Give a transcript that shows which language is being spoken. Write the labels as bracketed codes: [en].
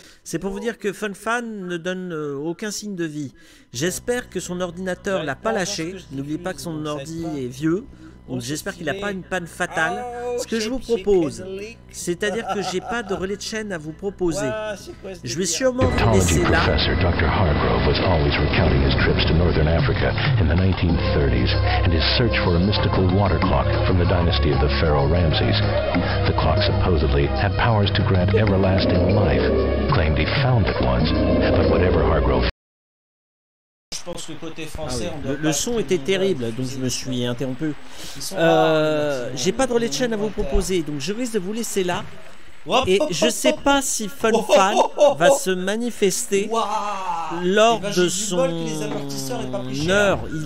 [fr] C'est pour vous dire que FunFan ne donne aucun signe de vie. J'espère que son ordinateur l'a pas lâché. N'oubliez pas que son ordi est vieux. Donc j'espère qu'il n'a pas une panne fatale. Oh, ce que je vous propose, c'est-à-dire que j'ai pas de relais de chaîne à vous proposer. Je vais sûrement vous laisser là. Dr. [en] Hargrove was always recounting his trips to Northern Africa in the 1930s and his search for a mystical water clock from the dynasty of the pharaoh Ramses. The clock supposedly had powers to grant everlasting life, claimed he found it once, but whatever Hargrove. [fr] Je pense que côté français, ah oui. Le son était terrible, donc je me suis interrompu. J'ai pas de relais de chaîne à vous proposer, donc je risque de vous laisser là. Et je sais pas si Funfan va se manifester lors de son heure.